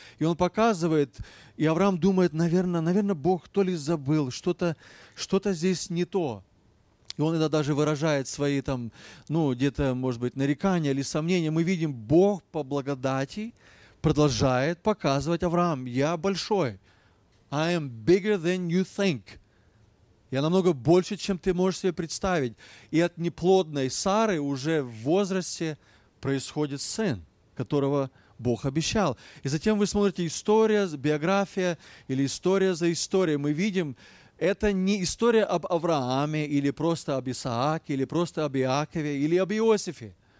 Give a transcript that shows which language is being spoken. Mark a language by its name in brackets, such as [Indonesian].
[Russian] И он показывает, и Авраам думает: наверное, Бог то ли забыл, что-то здесь не то. И он это даже выражает свои там, ну, где-то, может быть, нарекания или сомнения. Мы видим, Бог по благодати продолжает показывать Авраам: я большой. [English] I am bigger than you think. [Russian] Я намного больше, чем ты можешь себе представить. И от неплодной Сары уже в возрасте происходит сын, которого Бог обещал. И затем вы смотрите история, биография или история за историей. Мы видим, это не история об Аврааме или просто об Исааке, или просто об Иакове, или об Иосифе.